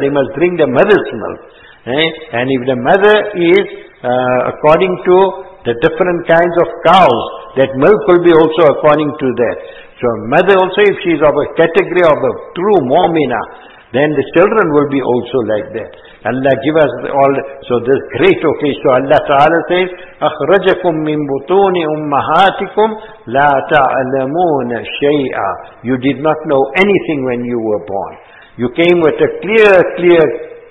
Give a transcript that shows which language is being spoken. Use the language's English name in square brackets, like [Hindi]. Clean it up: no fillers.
[English] They must drink the mother's milk. And if the mother is, according to the different kinds of cows, that milk will be also according to that. So mother also, if she is of a category of a true mu'mina, then the children will be also like that. Allah give us all. So this great occasion. So Allah Ta'ala says, [Arabic] أَخْرَجَكُمْ مِنْ بُطُونِ أُمَّهَاتِكُمْ لَا تَعْلَمُونَ شَيْئًا. [English] You did not know anything when you were born. You came with a clear slate.